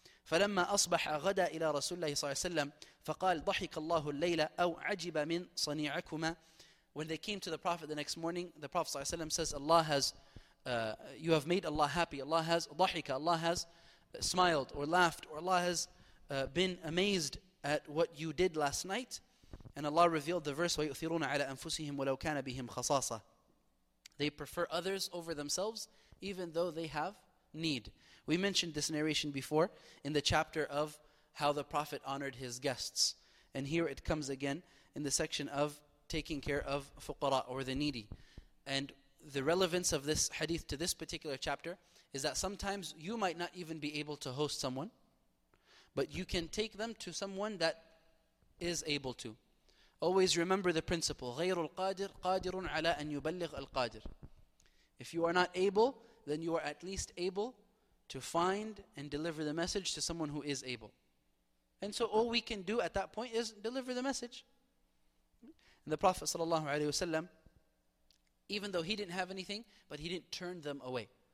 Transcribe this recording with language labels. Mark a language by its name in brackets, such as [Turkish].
[Arabic] فلما أصبح غدا إلى رسول الله صلى الله عليه وسلم فقال ضحك الله الليلة أو عجب من صنيعكما. [English] When they came to the Prophet the next morning, the Prophet صلى الله عليه وسلم says, Allah has you have made Allah happy. Allah has ضحك, Allah has smiled or laughed, or Allah has been amazed at what you did last night. And Allah revealed the verse, [Arabic] ويؤثرون على أنفسهم ولو كان بهم خصاصة. [English] They prefer others over themselves even though they have need. We mentioned this narration before in the chapter of how the Prophet honored his guests. And here it comes again in the section of taking care of fuqara or the needy. And the relevance of this hadith to this particular chapter is that sometimes you might not even be able to host someone, but you can take them to someone that is able to. Always remember the principle, [Arabic] غير القادر قادر على أن يبلغ القادر. [English] If you are not able, then you are at least able to find and deliver the message to someone who is able. And so all we can do at that point is deliver the message. And the Prophet sallallahu alaihi wasallam, even though he didn't have anything, but he didn't turn them away.